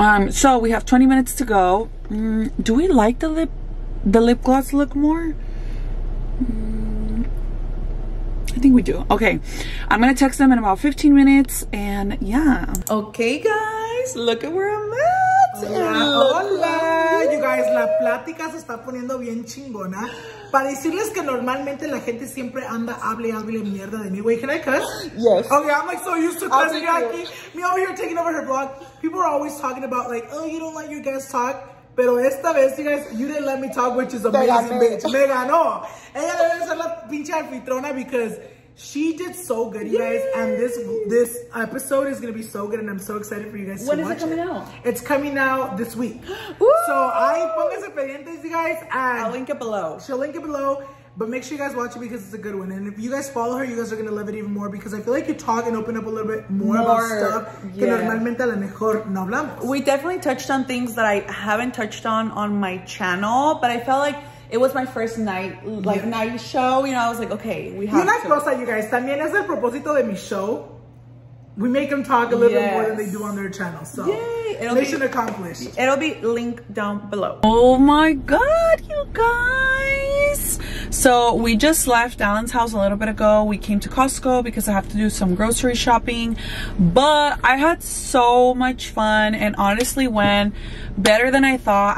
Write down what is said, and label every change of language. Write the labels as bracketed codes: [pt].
[en] So we have 20 minutes to go. Do we like the lip gloss look more? I think we do. Okay, I'm gonna text them in about 15 minutes, and yeah. Okay, guys, look at where I'm at. [es] Hola, hola. [en] You guys, [es] la plática se está poniendo bien chingona. Para decirles que normalmente la gente siempre anda hable mierda de mí. [en] Wait, can I cuss? Yes. Okay, I'm like so used to cussing Jackie. Me over here taking over her vlog. People are always talking about like, oh, you don't let your guests talk. [es] Pero esta vez, [en] you guys, you didn't let me talk, which is amazing, bitch. [es] Me ganó. Ella debe ser la pinche anfitrona, [en] because she did so good, you guys. And this episode is going to be so good, and I'm so excited for you guys to watch it. When is it coming out? It's coming out this week. So, [es] póngase pendientes, [en] you guys. I'll link it below. She'll link it below. But make sure you guys watch it, because it's a good one. And if you guys follow her, you guys are going to love it even more, because I feel like you talk and open up a little bit more about stuff. Yeah. [es] Que normalmente a lo mejor no hablamos. [en] We definitely touched on things that I haven't touched on my channel, but I felt like it was my first night, like, yes, night show. You know, I was like, okay, we have [es] to. Y una cosa, [en] you guys, [es] también es el propósito de mi show. [en] We make them talk a little bit more than they do on their channel. So, yay. Mission accomplished. It'll be linked down below. Oh my God, you guys. So we just left Alan's house a little bit ago. We came to Costco because I have to do some grocery shopping, but I had so much fun and honestly went better than I thought.